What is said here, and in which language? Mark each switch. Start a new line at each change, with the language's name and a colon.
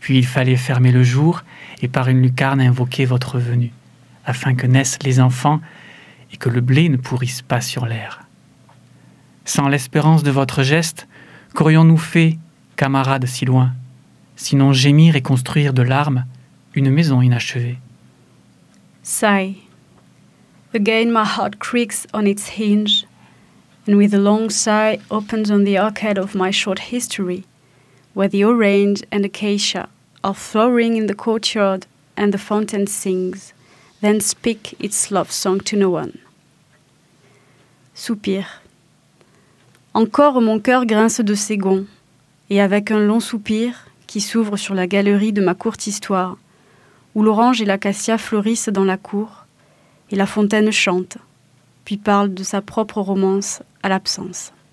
French: Puis il fallait fermer le jour, et par une lucarne invoquer votre venue, afin que naissent les enfants, et que le blé ne pourrisse pas sur l'air. Sans l'espérance de votre geste, qu'aurions-nous fait, camarades si loin, sinon gémir et construire de larmes, une maison inachevée.
English: Sigh. Again my heart creaks on its hinge, and with a long sigh opens on the arcade of my short history, where the orange and acacia are flowering in the courtyard and the fountain sings, then speak its love song to no one.
French: Soupir. Encore mon cœur grince de ses gonds, et avec un long soupir qui s'ouvre sur la galerie de ma courte histoire, où l'orange et l'acacia fleurissent dans la cour, et la fontaine chante, puis parle de sa propre romance à l'absence.